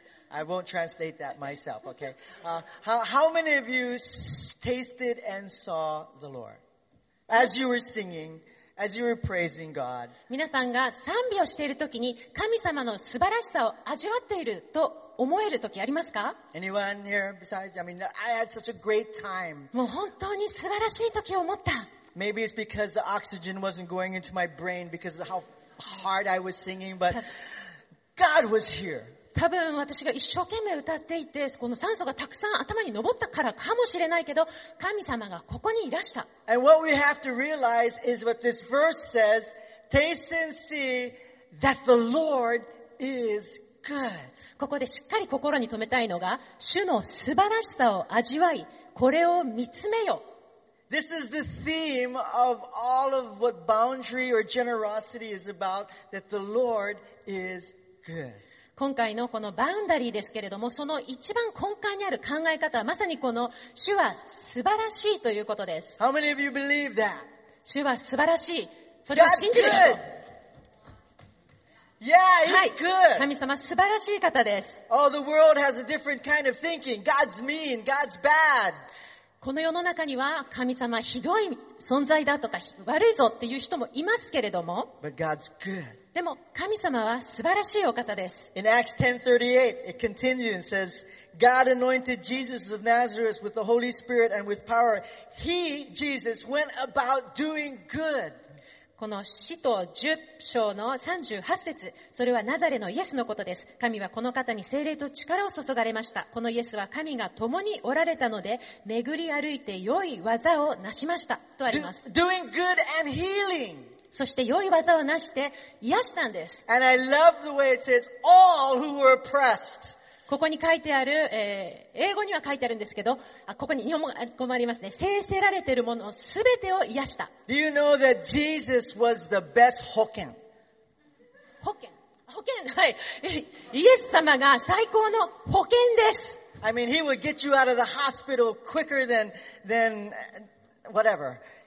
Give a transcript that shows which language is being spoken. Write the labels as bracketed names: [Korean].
[English] I won't translate that myself, okay? How many of you tasted and saw the Lord? As you were singing, as you were praising God. [Japanese] 皆さんが賛美をしているときに神様の素晴らしさを味わっていると思えるときありますか? [English] Anyone here besides? I had such a great time. [Japanese] もう本当に素晴らしいときを思った。 [English] Maybe it's because the oxygen wasn't going into my brain because of how hard I was singing, but God was here. [Japanese] 多分私が一生懸命歌っていて、この酸素がたくさん頭に上ったからかもしれないけど、神様がここにいらした。 [English] And what we have to realize is what this verse says, taste and see that the Lord is good. [Japanese] ここでしっかり心に留めたいのが、主の素晴らしさを味わい、これを見つめよ。 [English] This is the theme of all of what boundary or generosity is about, that the Lord is good. [Japanese] 今回のこのバウンダリーですけれども、その一番根幹にある考え方はまさにこの主は素晴らしいということです。 [English] How many of you believe that? [Japanese] 主は素晴らしい。それを信じる人。 [English] Yeah, he's good. [Japanese] 神様素晴らしい方です。 [English] Oh, the world has a different kind of thinking. God's mean. God's bad. [Japanese] この世の中には神様ひどい存在だとか悪いぞっていう人もいますけれども。 [English] But God's good. [Japanese] でも神様は素晴らしいお方です。 [English] In Acts 10:38, it continues and says, God anointed Jesus of Nazareth with the Holy Spirit and with power. He, Jesus, went about doing good. [Japanese] この使徒10章の38節、それはナザレのイエスのことです。神はこの方に聖霊と力を注がれました。このイエスは神が共におられたので、巡り歩いて良い技を成しました。とあります。 [English] Doing good and healing. [Japanese] そして良い技を成して癒したんです。 [English] And I love the way it says, all who were oppressed. [Japanese] ここに書いてある、英語には書いてあるんですけど、あ、ここに日本語もありますね。制せられているものすべてを癒した。 [English] Do you know that Jesus was the best 保険？ [Japanese] 保険？保険？はい。イエス様が最高の保険です。 [English] I mean, he would get you out of the hospital quicker than, whatever.